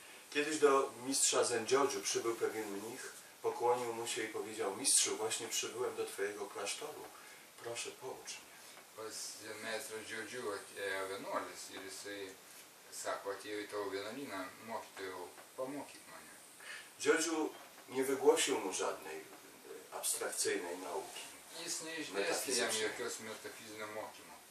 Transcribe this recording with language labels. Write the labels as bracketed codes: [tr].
[pl] Kiedyś do mistrza Zen Jodzu przybył pewien mnich, pokłonił mu się i powiedział: mistrzu, właśnie przybyłem do twojego klasztoru. Proszę, poucz mnie. [lt] Pas maestro Jodzu atėjo vienuolis ir jisai sako, atėjo į tavo vienuolyną, mokytojau, pamokyk mane. [pl] Jodzu nie wygłosił mu żadnej abstrakcyjnej nauki. [lt] Jis neįsidėjo jokios metafizinio mokymo.